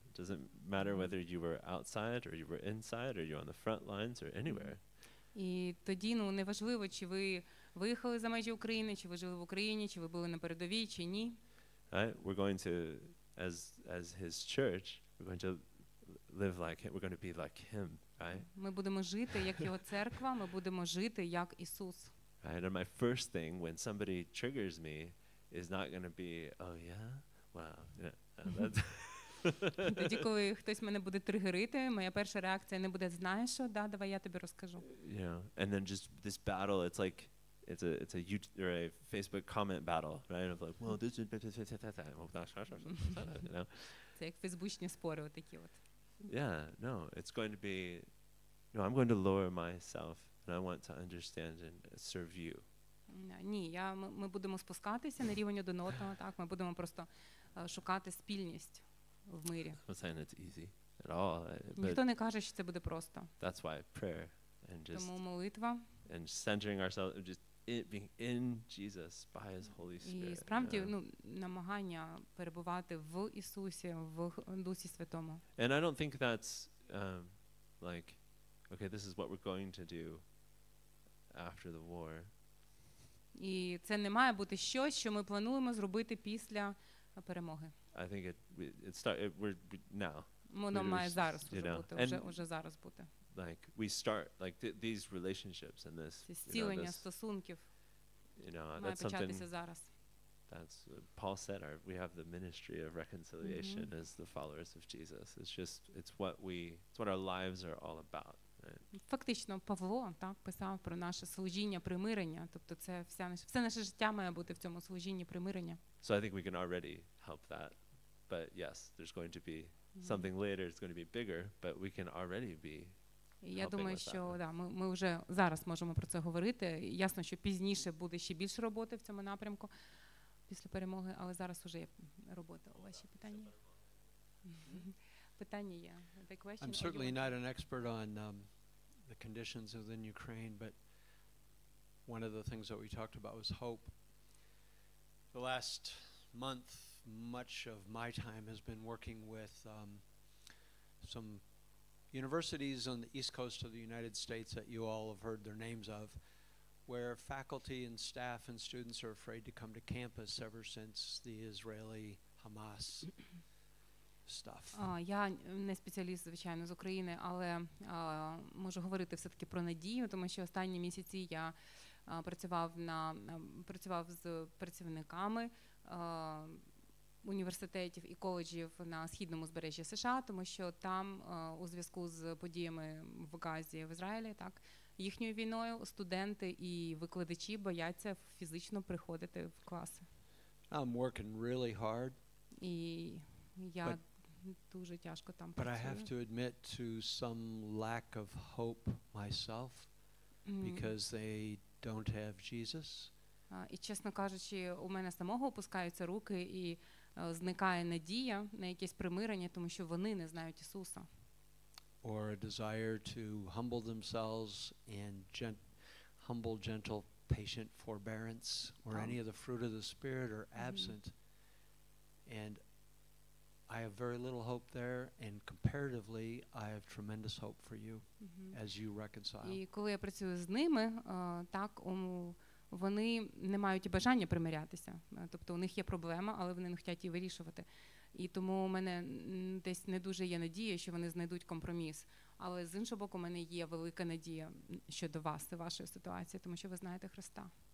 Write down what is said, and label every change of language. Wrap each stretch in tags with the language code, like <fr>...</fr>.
<en>It doesn't matter whether you were outside or you were inside or you're on the front lines or anywhere.</en> <uk>І тоді, неважливо, чи ви виїхали за межі України, чи ви жили в Україні, чи ви були на передовій, чи ні.</uk> <en>We're going to, as his church, we're going to live like him, we're going to be like him, right?</en> <uk>Ми будемо жити як його церква, ми будемо жити як Ісус.</uk> <en>Right? And my first thing when somebody triggers me is not going to be, oh yeah, wow. Yeah.</en> <uk>Тоді, коли хтось мене буде тригерити, моя перша реакція не буде, знаєш що, да, давай я тобі розкажу.</uk> <en>Yeah. And then just this battle, it's like it's a YouTube or a Facebook comment battle, right? Of like, well, this is</en> <uk>Це як фейсбучні спори отакі от.</uk> <en>Yeah, no, it's going to be, I'm going to lower myself and I want to understand and serve you.</en> <uk>Ні, ми будемо спускатися на рівень один одного, так, ми будемо просто шукати спільність. В мирі.</uk> <en>I'm not saying it's easy at all.</en> <uk>Ніхто не каже, що це буде просто.</uk> <en>That's why prayer and just</en> <uk>Тому молитва.</uk> <en>And centering ourselves just it being in Jesus by his Holy Spirit.</en> <uk>І справді, намагання перебувати в Ісусі, в Дусі Святому.</uk> <en>And I don't think that's like okay, this is what we're going to do after the war.</en> <uk>І це не має бути щось, що ми плануємо зробити після перемоги.</uk> <en>I think it now.</en> <uk>Воно має зараз вже бути, вже зараз бути.</uk> <en>Like we start like these relationships and this</en> <uk>зцілення стосунків.</uk> <en>That's something</en> <uk>зараз.</uk> <en>That's Paul said we have the ministry of reconciliation as the followers of Jesus. It's what our lives are all about, right?</en> <uk>Фактично Павло так писав про наше служіння примирення, тобто це все наше життя має бути в цьому служінні примирення.</uk> <en>So I think we can already help that. But yes, there's going to be something later, it's going to be bigger, but we can already be.</en> <uk>Я думаю, що да, ми вже зараз можемо про це говорити. Ясно, що пізніше буде ще більше роботи в цьому напрямку після перемоги, але зараз уже є робота. Ваші питання? Питання є.</uk> <en>The question. I'm certainly not an expert on the conditions within Ukraine, but one of the things that we talked about was hope. The last month, much of my time has been working with some universities on the East Coast of the United States that you all have heard their names of, where faculty and staff and students are afraid to come to campus ever since the Israeli Hamas stuff.</en> <uk>Я не спеціаліст, звичайно, з України, але можу говорити все-таки про надію, тому що останні місяці я працював з працівниками університетів і коледжів на східному узбережжі США, тому що там у зв'язку з подіями в Газі, в Ізраїлі, так, їхньою війною студенти і викладачі бояться фізично приходити в класи.</uk> <en>I'm working really hard.</en> <uk>І я дуже тяжко там працюю.</uk> <en>But I have to admit to some lack of hope myself because they don't have Jesus.</en> <uk>І чесно кажучи, у мене самого опускаються руки і зникає надія на якесь примирення, тому що вони не знають Ісуса.</uk> <en>Or a desire to humble themselves and humble, gentle, patient forbearance or any of the fruit of the spirit are absent. And I have very little hope there, and comparatively, I have tremendous hope for you as you reconcile.</en> <uk>І коли я працюю з ними, так, вони не мають бажання примирятися. Тобто у них є проблема, але вони не хочуть її вирішувати. І тому у мене десь не дуже є надія, що вони знайдуть компроміс. Але з іншого боку, у мене є велика надія щодо вас і вашої ситуації, тому що ви знаєте Христа.</uk>